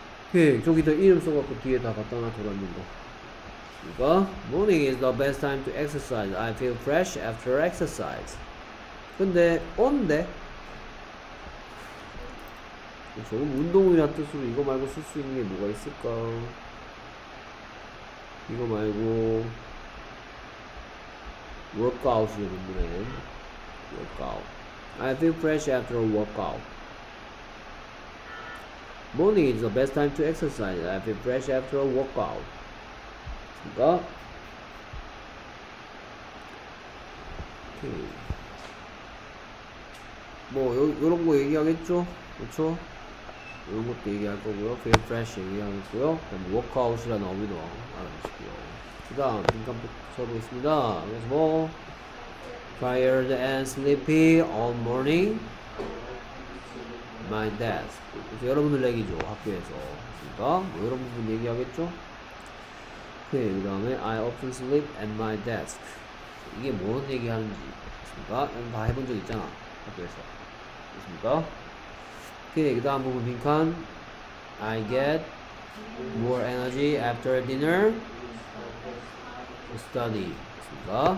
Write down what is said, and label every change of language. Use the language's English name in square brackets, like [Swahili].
[Korean] 오케이, 저기 다 이름 써갖고 뒤에 다 갖다 놔 돌아있는 거. 이거 [English] morning is the best time to exercise. I feel fresh after exercise. [Korean] 근데 on데 조금 운동이란 뜻으로 이거 말고 쓸 수 있는 게 뭐가 있을까? 이거 말고 workout이 뭔데? workout. [English] I feel fresh after a workout. morning is the best time to exercise. I feel fresh after a workout. [Korean] 오케이. 뭐 요런 거 얘기하겠죠? 그쵸? 요런 것도 얘기할 거고요. [English] feel fresh [Korean] 얘기하겠고요. 그다음 워크아웃이라는 어휘도 알아주시고요. 그 다음 빈칸부터 써보겠습니다. 그래서 뭐 [English] tired and sleepy all morning my desk. [Korean] 그래서 여러분들 얘기죠. 학교에서. 그니까 뭐 이런 부분 얘기하겠죠? 오케이, 그 다음에 [English] I often sleep at my desk. [Korean] 이게 뭔 얘기 하는지 됐습니까? 다 해본 적 있잖아 학교에서. 됐습니까? 오케이, 그 다음 부분 빈칸 [English] I get more energy after dinner to study. [Korean] 됐습니까?